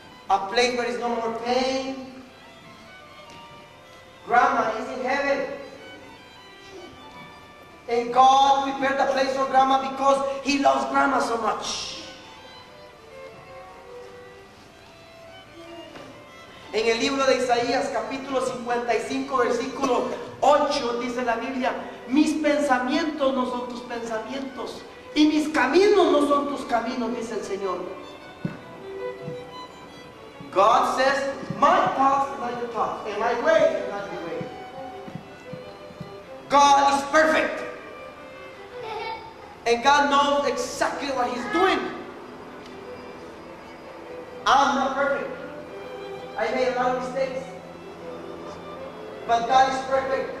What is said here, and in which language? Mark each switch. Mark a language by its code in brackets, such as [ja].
[en] A place where there's no more pain. Grandma is in heaven. And God prepared a place for grandma because he loves grandma so much. [es] En el libro de Isaías, capítulo 55, versículo 8, dice la Biblia, mis pensamientos no son tus pensamientos, y mis caminos no son tus caminos, dice el Señor. [en] God says, my thoughts are not your thoughts, and my way are not your way. God is perfect. And God knows exactly what he's doing. I'm not perfect. I made a lot of mistakes. But God is perfect.